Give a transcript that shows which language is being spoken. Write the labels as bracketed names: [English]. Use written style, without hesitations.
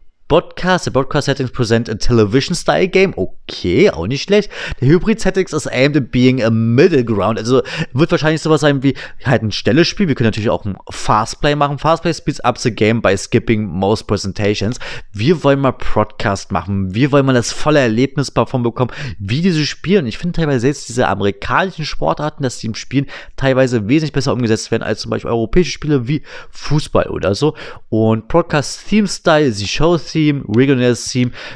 [English] Broadcast, the broadcast settings present a television style game. [German] Okay, auch nicht schlecht. [English] The hybrid settings is aimed at being a middle ground. [German] Also wird wahrscheinlich sowas sein wie halt ein schnelles Spiel. Wir können natürlich auch ein Fastplay machen. [English] Fastplay speeds up the game by skipping most presentations. [German] Wir wollen mal Broadcast machen. Wir wollen mal das volle Erlebnis davon bekommen, wie diese spielen. Ich finde teilweise selbst diese amerikanischen Sportarten, dass die im Spielen teilweise wesentlich besser umgesetzt werden als zum Beispiel europäische Spiele wie Fußball oder so. [English] Und Broadcast Theme Style, the show Theme, Regional Theme.